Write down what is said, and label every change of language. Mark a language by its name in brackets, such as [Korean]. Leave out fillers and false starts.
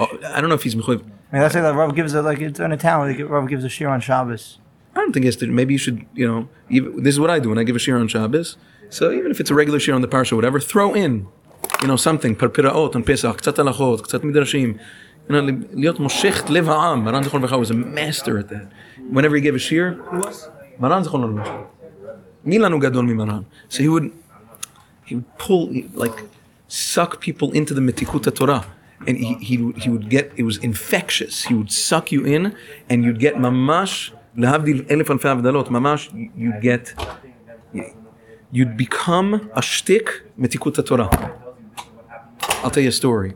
[English] Oh, I don't know if he's mechuyav. I mean, let's say the rav gives a, like, it's in a town, the rav gives a shir on Shabbos. I don't think it's, maybe you should, you know, even, this is what I do when I give a shir on Shabbos. So even if it's a regular shir on the parasha or whatever, throw in. You know, something, parpiraot on Pesach, [Hebrew] קצת הלכות, קצת מדרשים. [English] You know, [Hebrew] להיות מושך לב העם. [English] מרן זכרון לברכה was a master at that. Whenever he gave a shir, מרן זכרון לברכה. [Hebrew] מי לנו גדול ממרן? [English] So he would pull, like, suck people into the מתיקות התורה. And he would get, it was infectious. He would suck you in, and you'd get [Hebrew] ממש, להבדיל אלף אלפי הבדלות, ממש, [English] you'd get, you'd become a shtick מתיקות התורה. I'll tell you a story.